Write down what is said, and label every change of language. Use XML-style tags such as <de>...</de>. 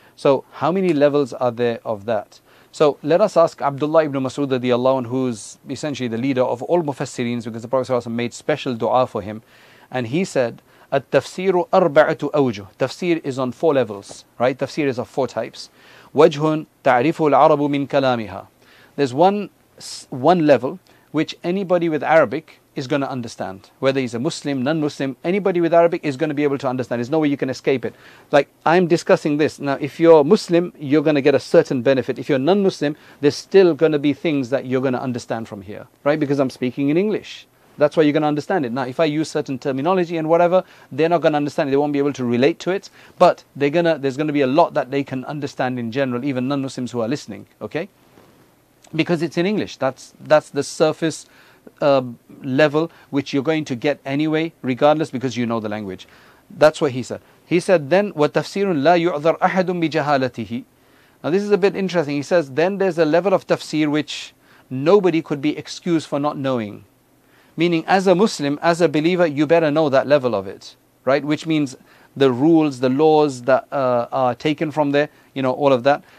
<en>So how many levels are there of that? So let us ask Abdullah ibn Mas'ud radiallahu anhu, who's essentially the leader of all Mufassirin, because the Prophet ﷺ made special dua for him. And he said,</en> <ar>التفسير أربعة أوجه.</ar> <en>Tafsir is on four levels, right? Tafsir is of four types.</en> <ar>وجه تعرف العرب من كلامها.</ar> <en>There's one level which anybody with Arabic is going to understand. Whether he's a Muslim, non-Muslim, anybody with Arabic is going to be able to understand. There's no way you can escape it. Like, I'm discussing this. Now, if you're Muslim, you're going to get a certain benefit. If you're non-Muslim, there's still going to be things that you're going to understand from here, right? Because I'm speaking in English. That's why you're going to understand it. Now, if I use certain terminology and whatever, they're not going to understand it. They won't be able to relate to it. But there's going to be a lot that they can understand in general, even non-Muslims who are listening, okay? Because it's in English. That's the surface level which you're going to get anyway, regardless, because you know the language. That's what he said. He said, then,</en> <ar>وَتَفْسِيرٌ لَا يُعْذَرْ أَحَدٌ بِجَهَالَتِهِ.</ar> <en>Now, this is a bit interesting. He says, then there's a level of tafsir which nobody could be excused for not knowing. Meaning, as a Muslim, as a believer, you better know that level of it, right? Which means the rules, the laws that are taken from there, you know, all of that.</en>